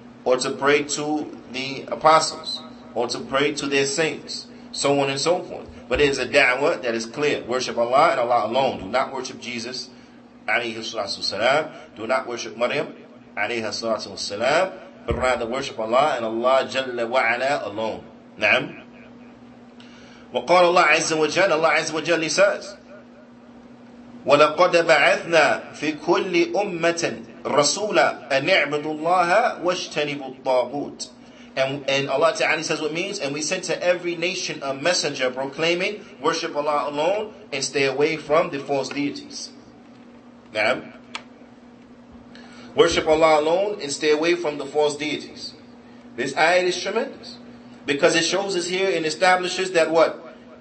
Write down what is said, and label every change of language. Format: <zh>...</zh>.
<en>or to pray to the apostles, or to pray to their saints, so on and so forth. But it is a da'wah that is clear. Worship Allah and Allah alone. Do not worship Jesus, alayhi salatu wasalam. Do not worship Maryam, alayhi salatu wasalam. But rather worship Allah and Allah jalla wa ala alone. Na'am.</en> <ar>وقال الله عز وجل الله عز وجل says ولقد بعثنا في كل أمة رسولا أن اعبدوا الله واجتنبوا الطاغوت.</ar> <en>And Allah Ta'ala says what means, and we sent to every nation a messenger proclaiming, worship Allah alone and stay away from the false deities. Na'am. Worship Allah alone and stay away from the false deities. This ayat is tremendous because it shows us here and establishes that what?</en>